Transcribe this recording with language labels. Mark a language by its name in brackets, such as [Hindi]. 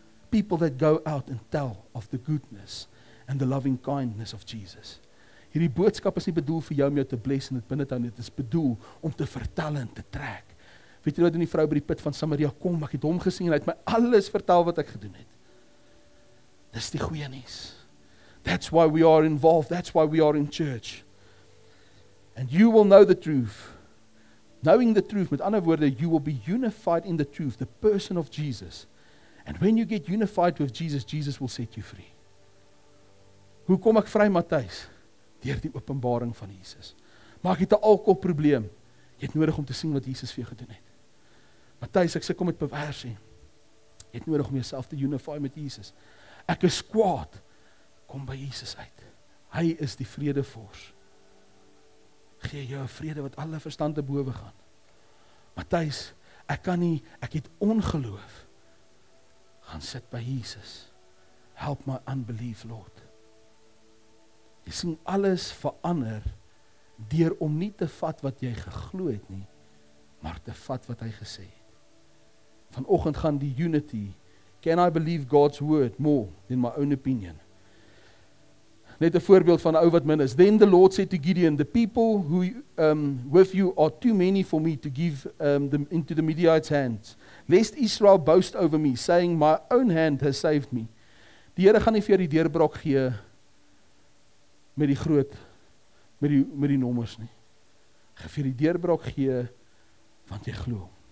[English] People that go out and tell of the goodness and the loving kindness of Jesus. [Afrikaans] Hierdie boodskap is nie bedoel vir jou om jou te bless en dit binne te hou nie. Dit is bedoel om te vertel en te trek. Weet jy wat doen die vrou by die put van Samaria? Kom, ek het hom gesien en hy het my alles vertel wat ek gedoen het. Dis die goeie nuus. [English] That's why we are involved. That's why we are in church. And you will know the truth. Knowing the truth, [Afrikaans] met ander woorde, [English] you will be unified in the truth, the person of Jesus. And when you get unified with Jesus, Jesus will set you free. [Afrikaans] Hoe kom ek vry, Matthys? Deur die openbaring van Jesus. Maar ek het 'n alkoholprobleem. Jy het nodig om te sien wat Jesus vir jou gedoen het. Matthys, ek sê kom met bewering. Jy het nodig om jouself te unify met Jesus. Ek is kwaad. Kom by Jesus uit. Hy is die vredevors. Gee jou vrede wat alle verstand te bowe gaan. Matthys, ek kan nie, ek het ongeloof. Gaan sit by Jesus. [English] Help my unbelief, Lord. [Afrikaans] Jy sien alles verander deur om nie te vat wat jy geglo het nie, maar te vat wat hy gesê het. Vanoggend gaan die unity. [English] Can I believe God's word more than my own opinion? [Afrikaans] Net 'n voorbeeld van 'n ou wat min is. [English] Then the Lord said to Gideon, the people who with you are too many for me to give them into the Midianites' hands. Lest Israel boast over me, saying, my own hand has saved me. [Afrikaans] Die Here gaan nie vir jou die deurbraak gee met die nommers nie. Gee vir die deurbraak gee want jy glo.